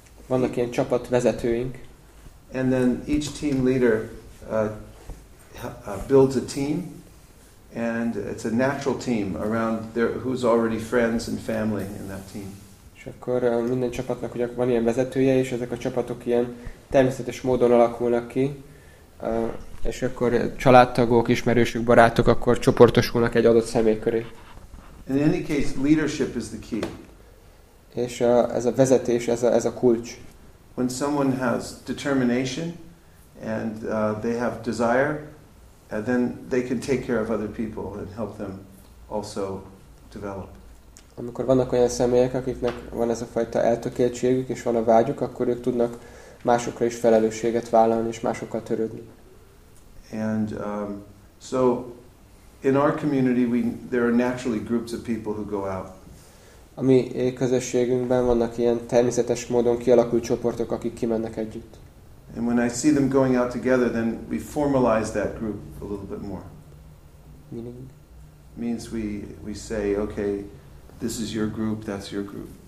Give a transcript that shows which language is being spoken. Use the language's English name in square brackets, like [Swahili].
[Hungarian] Vannak ilyen csapatvezetőink. [English] And then each team leader builds a team, and it's a natural team around their, who's already friends and family in that team. [Hungarian] És akkor minden csapatnak ugye van ilyen vezetője, és ezek a csapatok ilyen természetes módon alakulnak ki. És akkor családtagok, ismerősök, barátok akkor csoportosulnak egy adott személy köré. [English] In any case, leadership is the key. [Hungarian] És ez a vezetés, ez a kulcs. [English] When someone has determination and they have desire, and then they can take care of other people and help them also develop. [Hungarian] Amikor vannak olyan személyek, akiknek van ez a fajta eltökéltségük és van a vágyuk, akkor ők tudnak másokra is felelősséget vállalni és másokkal törődni. [English] And so in our community there are naturally groups of people who go out. [Hungarian] A mi közösségünkben vannak ilyen természetes módon kialakult csoportok, akik kimennek együtt. [English] And when I see them going out together, then we formalize that group a little bit more. Meaning? Means we say, okay, this is your group, that's your group.